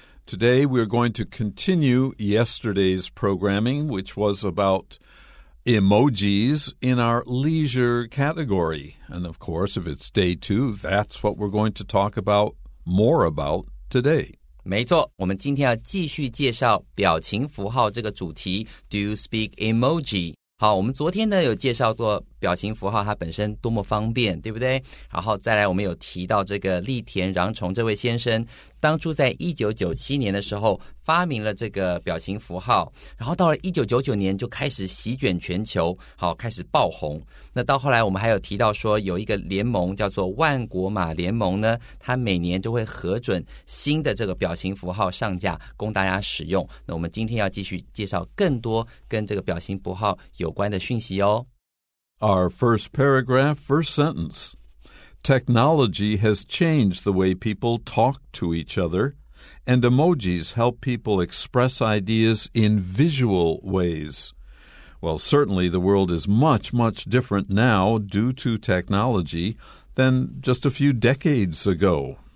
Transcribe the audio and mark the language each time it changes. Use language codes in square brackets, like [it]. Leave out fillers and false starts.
[en] Today, we're going to continue yesterday's programming, which was about emojis in our leisure category. And of course, if it's day two, that's what we're going to talk about more about today. [zh] 没错，我们今天要继续介绍表情符号这个主题。 [en] Do you speak emoji? [zh] 好，我们昨天呢有介绍过表情符号它本身多么方便，对不对？然后再来我们有提到这个立田穰崇这位先生，当初在1997年的时候发明了这个表情符号，然后到了1999年就开始席卷全球，好，开始爆红。那到后来我们还有提到说有一个联盟叫做万国马联盟呢，它每年都会核准新的这个表情符号上架供大家使用。那我们今天要继续介绍更多跟这个表情符号有关的讯息哦。 [en] Our first paragraph, first sentence. Technology has changed the way people talk to each other, and emojis help people express ideas in visual ways. Well, certainly the world is much, much different now due to technology than just a few decades ago.